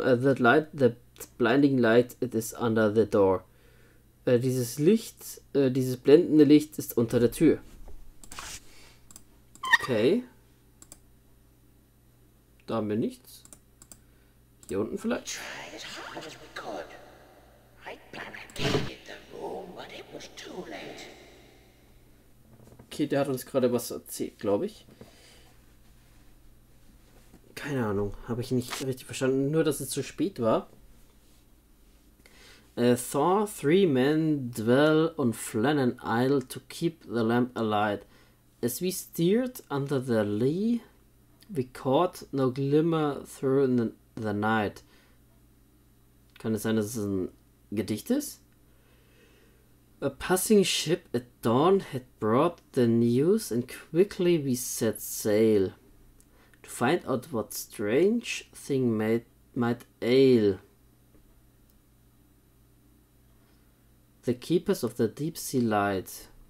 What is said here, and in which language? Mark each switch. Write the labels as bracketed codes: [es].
[en] That light, that blinding light, it is under the door. [de] Dieses Licht, dieses blendende Licht ist unter der Tür. Okay. Da haben wir nichts. Hier unten vielleicht. Okay, der hat uns gerade was erzählt, glaube ich. Keine Ahnung, habe ich nicht richtig verstanden. Nur, dass es zu spät war. [en] Thor, three men dwell on Flannan Isle to keep the lamp alight. As we steered under the lee, we caught no glimmer through the night. [de] Kann es sein, dass es ein Gedicht ist? [en] A passing ship at dawn had brought the news and quickly we set sail to find out what strange thing might ail. The keepers of the deep sea light.